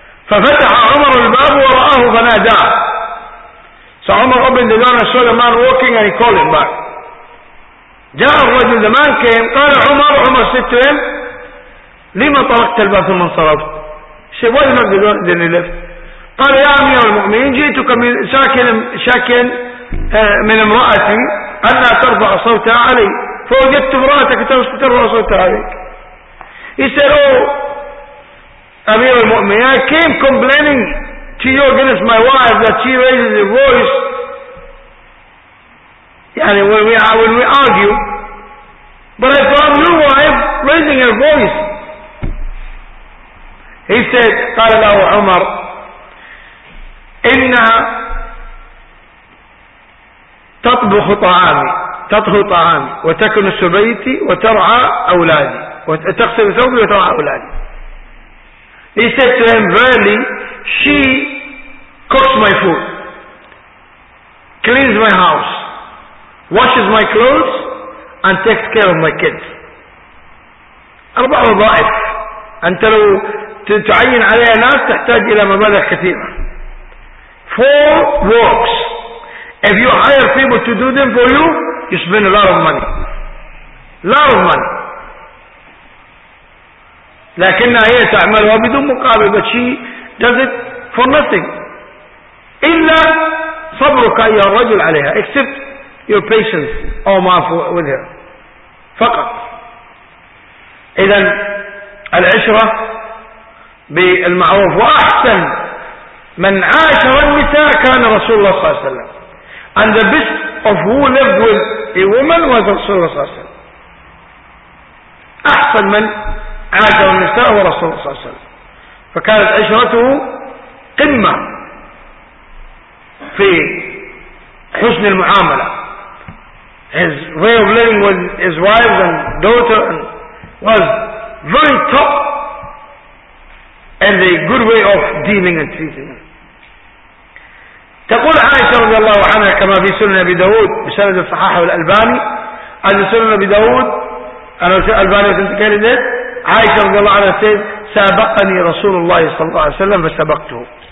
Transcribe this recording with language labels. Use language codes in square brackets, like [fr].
[ar] ففتح عمر الباب ورآه فناداه. [en] So Umar opened the door and saw the man walking and he called him back. [ar] جاء الرجل, [en] the man came. [ar] قال عمر, [en] Umar said to him, [ar] لما طرقت الباب ثم انصرفت؟ [en] He said, why did not the door then he left? [ar] قال يا أمير المؤمنين جئتك شاكن من امرأتي أنها ترفع صوتها علي, فوجدت امرأتك ترفع صوتها عليك. [en] He said, oh أمير المؤمنين, I came complaining to you against my wife that she raises the voice, يعني when we argue, but I found your wife raising her voice. He said, [ar] قال له عمر, إنها تطبخ طعامي, تطهو طعامي, وتكنس بيتي, وترعى أولادي, وتغسل ثوبي وترعى أولادي. [en] He said to him, really, she cooks my food, cleans my house, washes my clothes, and takes care of my kids. [ar] أربع وظائف. أنت لو تعين عليها ناس تحتاج إلى مبالغ كثيرة. [en] Four works. If you hire people to do them for you, you spend a lot of money. Lot of money. [ar] لكنها هي تعملها بدون مقابل, [en] but she does it for nothing. [ar] إلا صبرك يا رجل عليها, [en] except your patience or mouth with her. [ar] فقط. إذن العشرة بالمعروف. وأحسن من عاشر النساء كان رسول الله صلى الله عليه وسلم. [en] And the best of who lived with a woman was رسول الله صلى الله عليه وسلم. [ar] أحسن من عاشر النساء هو رسول الله صلى الله عليه وسلم. فكانت عشرته قمة في حسن المعاملة. [en] His way of living with his wives and daughter was very top and a good way of dealing and treating them. [ar] تقول عائشة رضي الله عنها كما في سنن أبي داود بسند الصحاح والألباني, عند سنن أبي داود أنا سنن الألباني وسنتكلم, عائشة رضي الله عنها سابقني رسول الله صلى الله عليه وسلم فسبقته.